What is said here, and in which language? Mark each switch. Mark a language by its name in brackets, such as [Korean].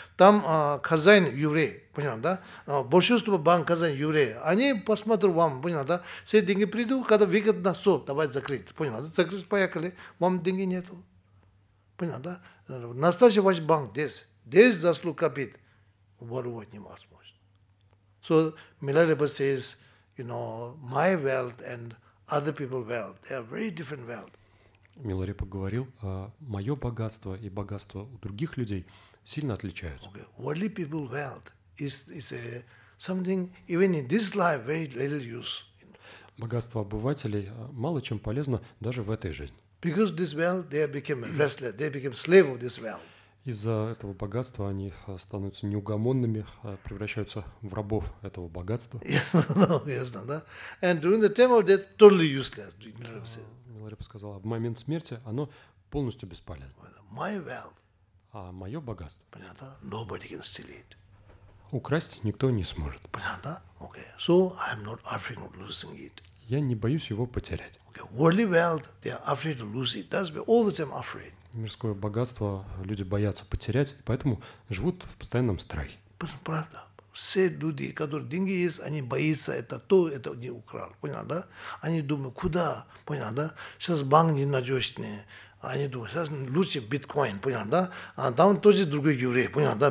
[Russian] Там хозяин еврей, понял, да? Большинство банк хозяин еврей. Они посмотрят вам, понял, да? Все деньги придут, когда выгодно, все, давай закрыть, понял, да? Закрыть, поехали, вам деньги нету, понял, да? Настоящий ваш банк здесь, здесь заслуг копит, воровать невозможно. [English] So, Милалеба says, you know, my wealth and other people's wealth, they are very different wealth. [Russian] Миларепа говорил, мое богатство и богатство у других людей сильно отличаются. [English] Okay. Worldly people's wealth is something even in this life very little use. [Russian] Богатство обывателей мало чем полезно даже в этой жизни. [English] Because this wealth, they became restless, they became slave of this wealth. [Russian] Из-за этого богатства они становятся неугомонными, превращаются в рабов этого богатства. [English] And during the time of death, totally useless. [Russian] Миларепа сказал, в момент смерти оно полностью бесполезно. [English] My wealth. [Russian] А мое богатство. Понятно? [English] Nobody can steal it. [Russian] Украсть никто не сможет. Понятно? [English] Okay. So I'm not afraid of losing it. [Russian] Я не боюсь его потерять. [English] Okay. Worldly wealth, they are afraid to lose it. That's why all the time afraid. [Russian] Мирское богатство люди боятся потерять, поэтому живут в постоянном страхе. Правда. Все люди, у которых деньги есть, они боятся, это то, это не украл. Понял, да? Они думают, куда? Понял, да? Сейчас банк ненадежный. Они думают, сейчас лучше биткоин, понял, да? А там тоже другой еврей, понял, да?